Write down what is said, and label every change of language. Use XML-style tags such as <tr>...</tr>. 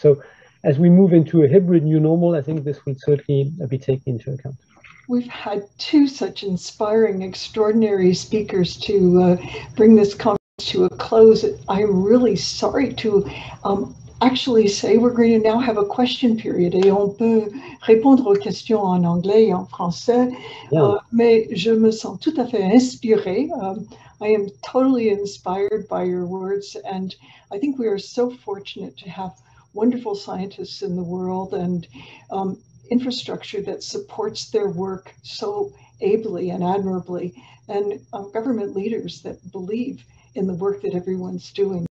<en>So as we move into a hybrid new normal, I think this will certainly be taken into account. We've had two such inspiring, extraordinary speakers to bring this conference to a close. I'm really sorry to actually say we're going to now have a question period.</en> <fr>Et on peut répondre aux questions en anglais et en français. Yeah. Mais je me sens tout à fait inspirée.</fr> <en>I am totally inspired by your words. And I think we are so fortunate to have wonderful scientists in the world and infrastructure that supports their work so ably and admirably, and government leaders that believe in the work that everyone's doing.</en>